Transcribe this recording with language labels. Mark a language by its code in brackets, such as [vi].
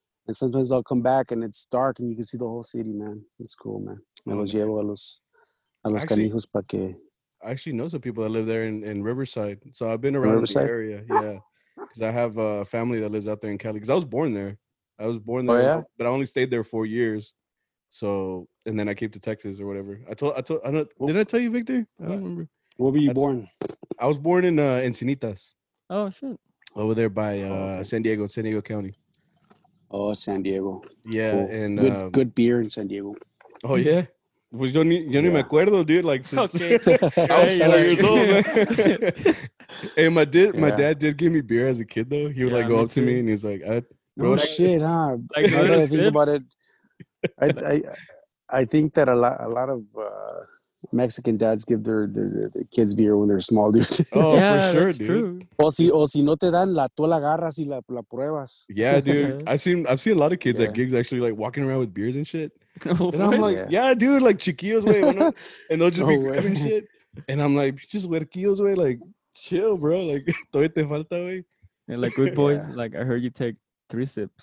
[en] And sometimes I'll come back and it's dark and you can see the whole city, man. It's cool, man. [es] Me los llevo a los canijos para que. [en] I actually know some people that live there in Riverside. So I've been around the area. Yeah. Because I have a family that lives out there in Cali. Because I was born there. Oh, yeah? But I only stayed there 4 years. So, and then I came to Texas or whatever. Didn't I tell you, Victor? I don't remember. Where were you born? I was born in Encinitas. Oh, shit. Over there by San Diego County. Oh, San Diego. Yeah. Cool. And good beer in San Diego. Oh, yeah. [es] Pues yo ni me acuerdo, [en] dude. Like, since okay. I was 4 years old, man. And my dad did give me beer as a kid, though. He would go up to me and he's like, "Shit, huh?" Like, now that I think about it, I think that a lot of Mexican dads give their kids beer when they're small, dude. Oh, yeah, for sure, dude. True. [es] O si no te dan la, tú la agarras y la pruebas. [en] Yeah, dude. I've seen a lot of kids at gigs actually like walking around with beers and shit. And I'm like, dude, like [es] chiquillos, [en] way, and they'll just be grabbing shit. And I'm like, just [es] huerquillos, [en] way, like, chill, bro, like, [es] todavía te falta, way. [en] And like, good boys, like, I heard you take 3 sips.